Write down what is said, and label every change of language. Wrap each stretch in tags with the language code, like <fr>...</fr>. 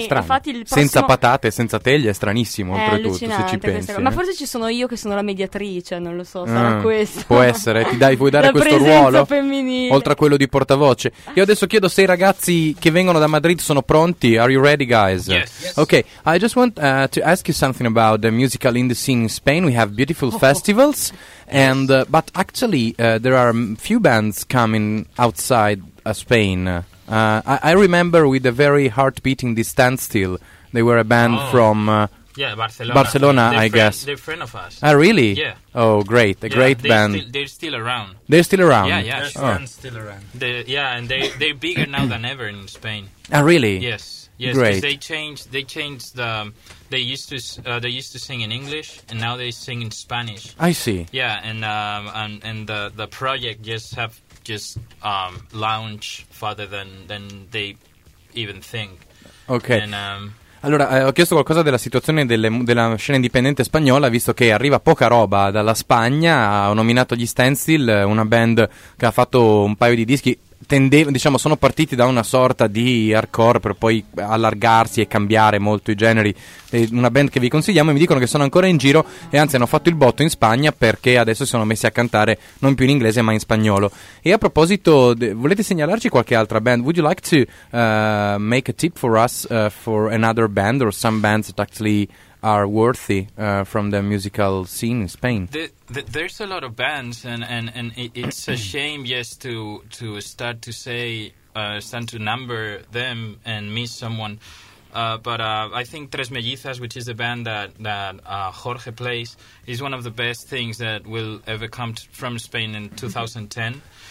<it>sì, infatti, il prossimo... Senza patate e senza teglia è stranissimo, oltretutto, se ci pensi. Ma forse ci sono io che sono la mediatrice, non lo so, sarà questo. Può essere, ti dai, vuoi dare la questo ruolo? La presenza femminile. Oltre a quello di portavoce. Io adesso chiedo se i ragazzi che vengono da Madrid sono pronti.</it> <en>Are you ready, guys? Yes, yes. Ok, I just want to ask you something about the musical industry in Spain. We have beautiful festivals. And but actually there are few bands coming outside Spain. I remember with a very heart beating the Standstill. They were a band from Barcelona, I guess. They're a friend of us. Ah, really? Yeah. Oh, great. A great band. They're still around. They're still around. Yeah, yeah. Still around. And they're bigger now than ever in Spain. Ah, really? Yes. Yes, great. They used to sing in English and now they sing in Spanish. I see. Yeah, and the project just launched farther than they even think. Okay.</en> <it>Allora, ho chiesto qualcosa della situazione della scena indipendente spagnola, visto che arriva poca roba dalla Spagna. Ho nominato gli Standstill, una band che ha fatto un paio di dischi. Diciamo, sono partiti da una sorta di hardcore per poi allargarsi e cambiare molto i generi. È una band che vi consigliamo e mi dicono che sono ancora in giro e anzi hanno fatto il botto in Spagna perché adesso si sono messi a cantare non più in inglese ma in spagnolo. E a proposito, volete segnalarci qualche altra band?</it> <en>Would you like to make a tip for us for another band or some bands that actually are worthy from the musical scene in Spain? There's a lot of bands and it's a shame, yes, to start to say start to number them and miss someone, but I think Tres Mellizas, which is a band that Jorge plays, is one of the best things that will ever come from Spain in 2010.</en>